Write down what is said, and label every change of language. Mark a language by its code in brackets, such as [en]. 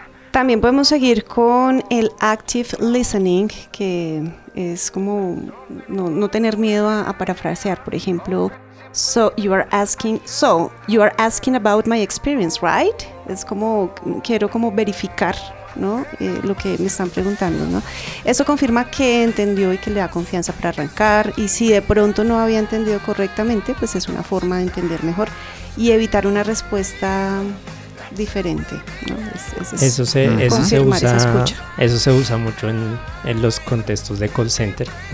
[es] También podemos seguir con el active listening, que es como no tener miedo a parafrasear. Por ejemplo, [en] So you are asking about my experience, right? [es] Es como, quiero como verificar, ¿no? Lo que me están preguntando, ¿no? Eso confirma que entendió y que le da confianza para arrancar. Y si de pronto no había entendido correctamente, pues es una forma de entender mejor y evitar una respuesta diferente, ¿no? Eso se usa mucho en los contextos de call center.